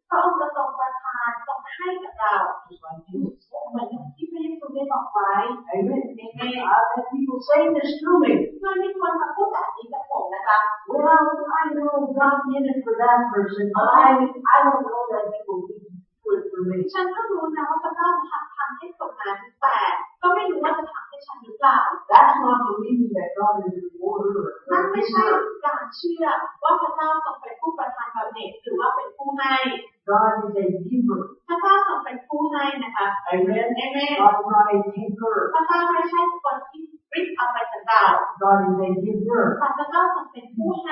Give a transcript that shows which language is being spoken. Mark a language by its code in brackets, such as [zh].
[en] Just like Jesus said. Amen. Amen. I've had people say this to me. Well, I know God did it for that person, but I don't know that He will give me. [th] ฉันก็รู้นะว่าพระเจ้าทำให้ตกนั้นแต่ก็ไม่รู้ว่าจะทำให้ฉันหรือเปล่า [en] That's not believing that God is a rewarder. [th] นั่นไม่ใช่การเชื่อว่าพระเจ้าต้องเป็นผู้ประทานบำเหน็จหรือว่าเป็นผู้ให้ [en] God is a giver. [th] พระเจ้าต้องเป็นผู้ให้นะคะ [en] Amen. Amen. God is not a taker. [th] พระเจ้าไม่ใช่คนที่ริบเอาไปจากเรา [en] God is a giver. [th] พระเจ้าต้องเป็นผู้ให